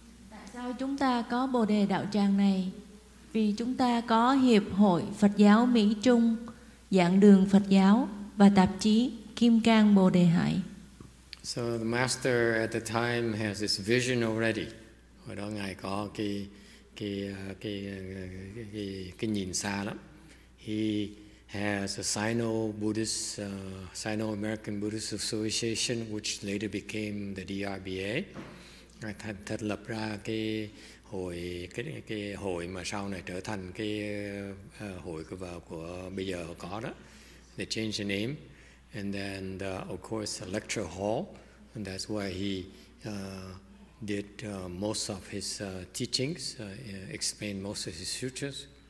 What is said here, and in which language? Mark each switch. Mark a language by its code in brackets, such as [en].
[vi] Tại sao chúng ta có Bồ Đề Đạo Tràng này? Vì chúng ta có Hiệp hội Phật giáo Mỹ Trung Giảng đường Phật giáo và tạp chí Kim Cang Bồ Đề Hải. [en] So the master at the time has this vision already. [vi] Hồi đó ngài có cái nhìn xa lắm. [en] He has a Sino-American Buddhist Association, which later became the DRBA. [vi] Ngài thật lập ra cái hội mà sau này trở thành cái hội của bây giờ có đó. [en] They changed the name, and then of course the lecture hall, and that's where he did most of his teachings, explained most of his sutras.